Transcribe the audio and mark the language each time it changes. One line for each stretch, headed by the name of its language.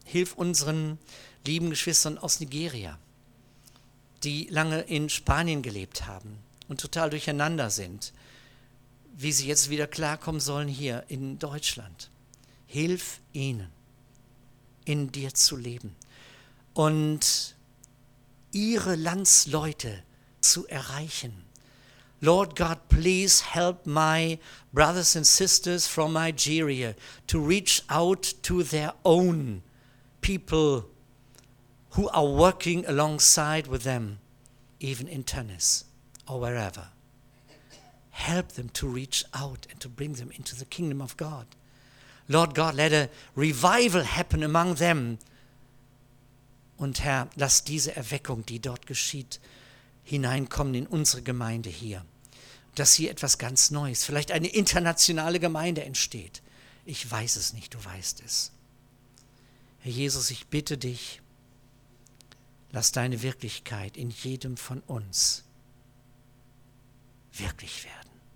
German: Hilf unseren lieben Geschwistern aus Nigeria, die lange in Spanien gelebt haben und total durcheinander sind, wie sie jetzt wieder klarkommen sollen hier in Deutschland. Hilf ihnen, in dir zu leben und ihre Landsleute zu erreichen.
English: Lord God, please help my brothers and sisters from Nigeria to reach out to their own people who are working alongside with them, even in Tunis or wherever. Help them to reach out and to bring them into the kingdom of God. Lord God, let a revival happen among them.
German: Und Herr, lass diese Erweckung, die dort geschieht, hineinkommen in unsere Gemeinde hier. Dass hier etwas ganz Neues, vielleicht eine internationale Gemeinde entsteht. Ich weiß es nicht, du weißt es. Herr Jesus, ich bitte dich, lass deine Wirklichkeit in jedem von uns wirklich werden.